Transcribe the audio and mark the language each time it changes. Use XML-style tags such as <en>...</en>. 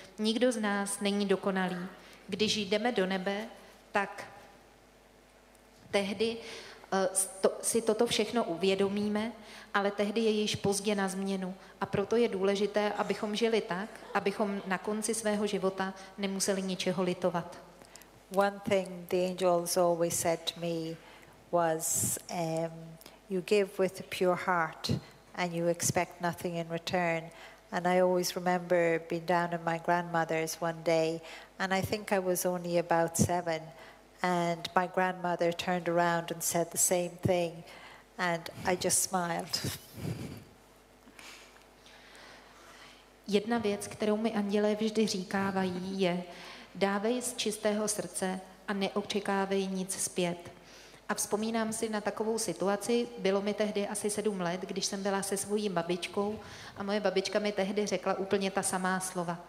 <cs>Nikdo z nás není dokonalý. Když jdeme do nebe, tak tehdy si toto všechno uvědomíme, ale tehdy je již pozdě na změnu. A proto je důležité, abychom žili tak, abychom na konci svého života nemuseli ničeho litovat.</cs> <en>One thing the angels always said to me was, you give with a pure heart and you expect nothing in return. And I always remember being down at my grandmother's one day, and I think I was only about 7, and my grandmother turned around and said the same thing, and I just smiled.</en> <cs>Jedna věc, kterou mi andělé vždy říkávají, je: dávej z čistého srdce a neočekávej nic zpět. A vzpomínám si na takovou situaci, bylo mi tehdy asi 7 let, když jsem byla se svojí babičkou a moje babička mi tehdy řekla úplně ta samá slova.</cs>